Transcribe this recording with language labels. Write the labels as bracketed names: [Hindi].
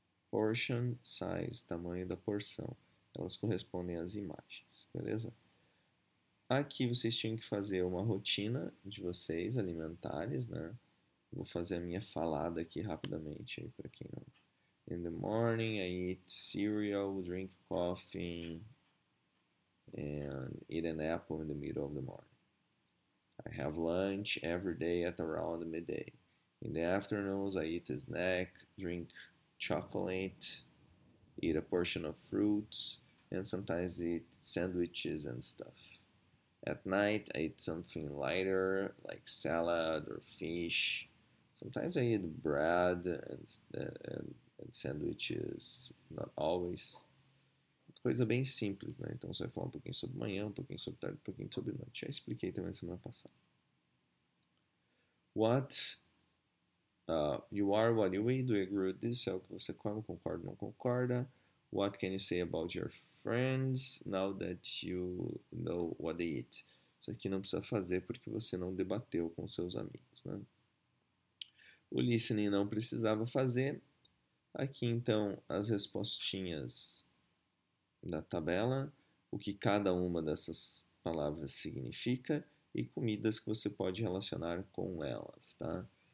[English] Portion, size, [Portuguese] tamanho da porção. Elas correspondem às imagens, beleza? Aqui vocês tinham que fazer uma rotina de vocês alimentares, né? Vou fazer a minha falada aqui rapidamente aí para quem não. [English] In the morning, I eat cereal, drink coffee, and eat an apple in the middle of the morning. I have lunch every day at around midday. In the afternoons, I eat a snack, drink chocolate, eat a portion of fruits, and sometimes eat sandwiches and stuff. At night, I eat something lighter, like salad or fish. Sometimes I eat bread and sandwiches, not always. [Portuguese] Coisa bem simples, né? Então, você vai falar um pouquinho sobre manhã, um pouquinho sobre tarde, um pouquinho sobre noite. Já expliquei também semana passada. [English] What you are, what you eat, do you agree with this? [Portuguese] É o que você come, concorda ou não concorda? [English] What can you say about your friends now that you know what they eat? [Portuguese] Isso aqui não precisa fazer porque você não debateu com seus amigos, né? O listening não precisava fazer. Aqui, então, as respostinhas da tabela, o que cada uma dessas palavras significa e comidas que você pode relacionar com elas, tá?